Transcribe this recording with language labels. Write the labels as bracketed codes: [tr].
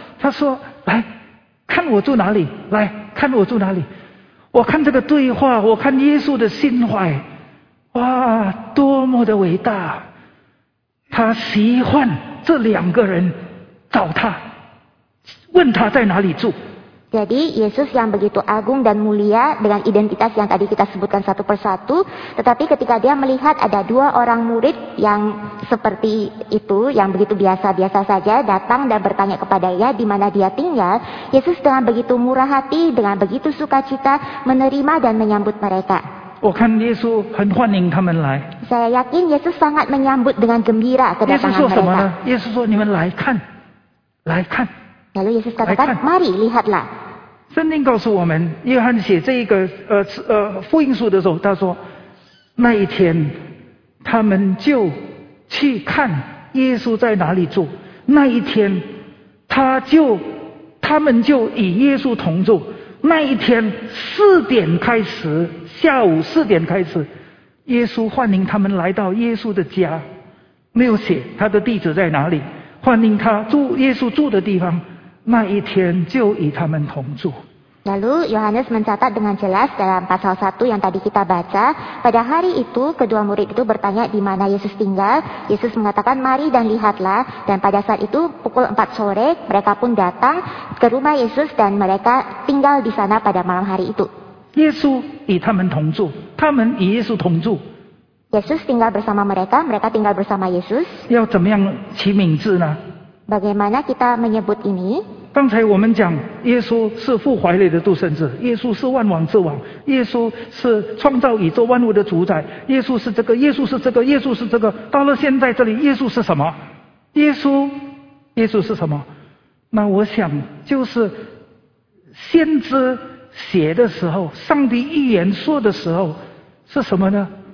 [zh] 他说：“来，看我住哪里？来看我住哪里？我看这个对话，我看耶稣的心怀，哇，多么的伟大！他喜欢这两个人找他，问他在哪里住。” [id] Jadi Yesus yang begitu agung dan mulia dengan identitas yang tadi kita sebutkan satu persatu, tetapi ketika dia melihat ada dua orang murid yang seperti itu, yang begitu biasa-biasa saja, datang dan bertanya kepadanya di mana dia tinggal, Yesus dengan begitu murah hati, dengan begitu sukacita menerima dan menyambut mereka. [zh] 我看耶稣很欢迎他们来。 [id] Saya yakin Yesus sangat menyambut dengan gembira kedatangan mereka. [zh] Yesus 说什么呢？ Yesus 说你们来看，来看。 [id] Lalu Yesus katakan, mari lihatlah. [zh] 圣经告诉我们，约翰写这一个福音书的时候，他说那一天他们就去看耶稣在哪里住，那一天他们就与耶稣同住，那一天四点开始，下午四点开始，耶稣欢迎他们来到耶稣的家，没有写他的地址在哪里，欢迎他住耶稣住的地方。那一天就与他们同住。 [id] Lalu Yohanes mencatat dengan jelas dalam pasal 1 yang tadi kita baca, pada hari itu kedua murid itu bertanya di mana Yesus tinggal. Yesus mengatakan mari dan lihatlah, dan pada saat itu pukul 4 sore mereka pun datang ke rumah Yesus dan mereka tinggal di sana pada malam hari itu. [zh] Yesus 与他们同住，他们与耶稣同住。 [id] Yesus tinggal bersama mereka, mereka tinggal bersama Yesus. [zh] 要怎么样起名字呢？ [id] Bagaimana kita menyebut ini? [zh] 刚才我们讲耶稣是父怀里的独生子，耶稣是万王之王，耶稣是创造宇宙万物的主宰，耶稣是这个，耶稣是这个，耶稣是这个，到了现在这里耶稣是什么？耶稣是什么？那我想就是先知写的时候，上帝预言说的时候是什么呢？